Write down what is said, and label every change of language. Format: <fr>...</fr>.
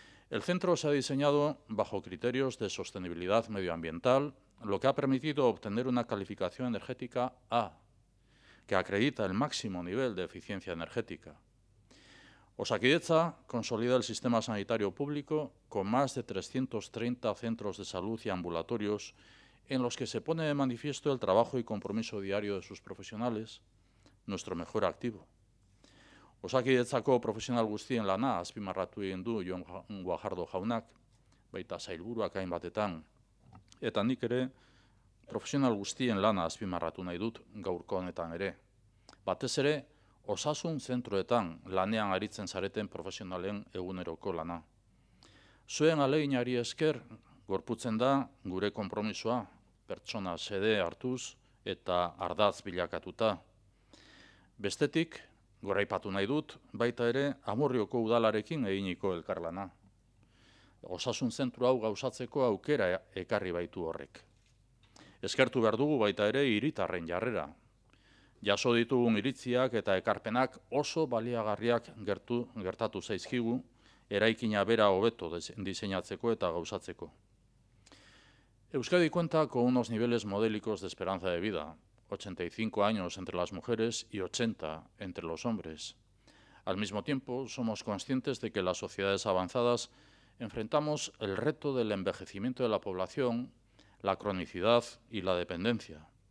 <es>El centro se ha diseñado bajo criterios de sostenibilidad medioambiental, lo que ha permitido obtener una calificación energética A, que acredita el máximo nivel de eficiencia energética. Osakidetza consolida el sistema sanitario público con más de 330 centros de salud y ambulatorios en los que se pone de manifiesto el trabajo y compromiso diario de sus profesionales, nuestro mejor activo.</es> <eu>Osakidetzako profesional guztien lana azpimarratu egin du Jon Guajardo jaunak, baita sailburuak hainbatetan, eta nik ere profesional guztien lana azpimarratu nahi dut gaurko honetan ere. Batez ere, osasun zentroetan lanean aritzen zareten profesionalen eguneroko lana. Zuen aleginari esker, gorputzen da gure konpromisoa, pertsona sede hartuz eta ardaz bilakatuta. Bestetik, goraipatu nahi dut, baita ere, Amurrioko udalarekin eginiko elkarlana. Osasun zentro hau gauzatzeko aukera ekarri baitu horrek. Eskertu behar dugu baita ere hiritarren jarrera. Jaso ditugun iritziak eta ekarpenak oso baliagarriak gertatu zaizkigu, eraikina bera hobeto diseinatzeko eta gauzatzeko.</eu> <es>Euskadi cuenta con unos niveles modélicos de esperanza de vida, 85 años entre las mujeres y 80 entre los hombres. Al mismo tiempo, somos conscientes de que las sociedades avanzadas enfrentamos el reto del envejecimiento de la población, la cronicidad y la dependencia.</es>